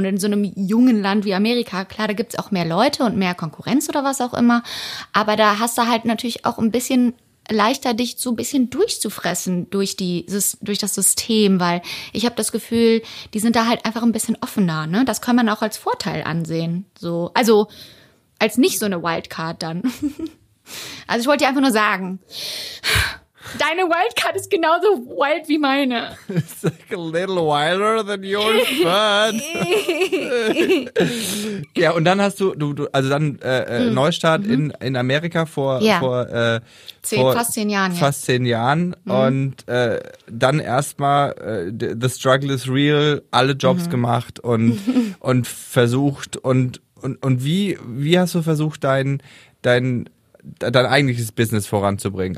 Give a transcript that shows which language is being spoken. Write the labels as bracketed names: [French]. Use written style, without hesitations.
[German] Und in so einem jungen Land wie Amerika, klar, da gibt es auch mehr Leute und mehr Konkurrenz oder was auch immer, aber da hast du halt natürlich auch ein bisschen leichter, dich so ein bisschen durchzufressen durch das System, weil ich habe das Gefühl, die sind da halt einfach ein bisschen offener, ne? Das kann man auch als Vorteil ansehen, so. Also, als nicht so eine Wildcard dann. Also, ich wollte dir einfach nur sagen, deine Wildcard ist genauso wild wie meine. [English] It's like a little wilder than yours, but. [German] Ja, und dann hast du Neustart in Amerika vor fast zehn Jahren. Und dann erstmal [English] the struggle is real, [German] alle Jobs gemacht und versucht und wie hast du versucht, dein eigentliches Business voranzubringen?